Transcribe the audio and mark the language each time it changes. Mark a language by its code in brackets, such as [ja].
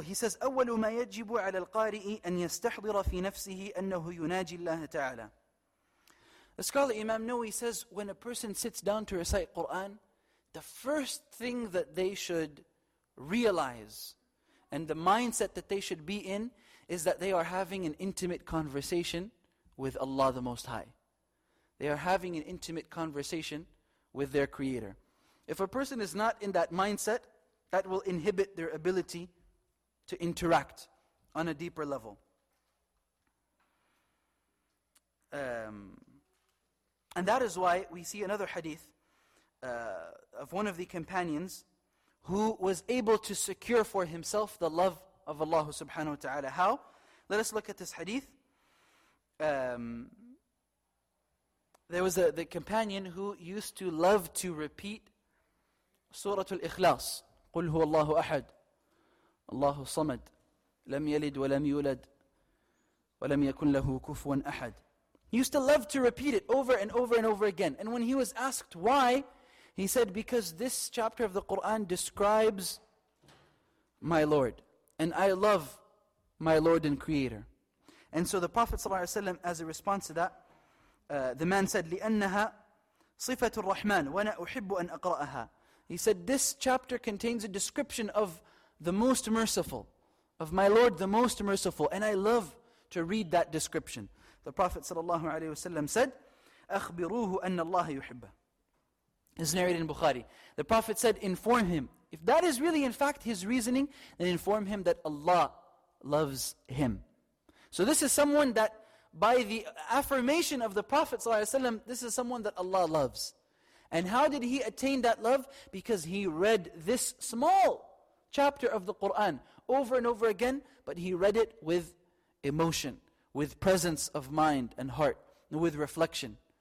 [en] He says, [ar] أول ما يجب على القارئ أن يستحضر في نفسه أنه يناجي الله تعالى. [en] The scholar Imam An-Nawawi says, when a person sits down to recite Quran, the first thing that they should realize and the mindset that they should be in is that they are having an intimate conversation with Allah the Most High. They are having an intimate conversation with their Creator. If a person is not in that mindset, that will inhibit their ability to interact on a deeper level. And that is why we see another hadith of one of the companions who was able to secure for himself the love of Allah subhanahu wa ta'ala. How? Let us look at this hadith. There was the companion who used to love to repeat Surah Al-Ikhlas. [ar] قل هو الله أحد الله الصمد لم يلد ولم يولد ولم يكن له كفوا أحد. [en] He used to love to repeat it over and over and over again. And when he was asked why, he said, because this chapter of the Quran describes my Lord. And I love my Lord and Creator. And so the Prophet ﷺ, as a response to that, the man said, [ar] لِأَنَّهَا صِفَةُ الرَّحْمَنِ وَنَا أُحِبُّ أَنْ أَقْرَأَهَا. [en] He said, this chapter contains a description of the most merciful, of my Lord, the most merciful. And I love to read that description. The Prophet ﷺ said, [ar] أَخْبِرُوهُ أَنَّ اللَّهَ يُحِبَّهُ. [en] It's narrated in Bukhari. The Prophet said, inform him. If that is really in fact his reasoning, then inform him that Allah loves him. So this is someone that by the affirmation of the Prophet ﷺ, this is someone that Allah loves. And how did he attain that love? Because he read this small chapter of the Qur'an over and over again, but he read it with emotion, with presence of mind and heart, and with reflection.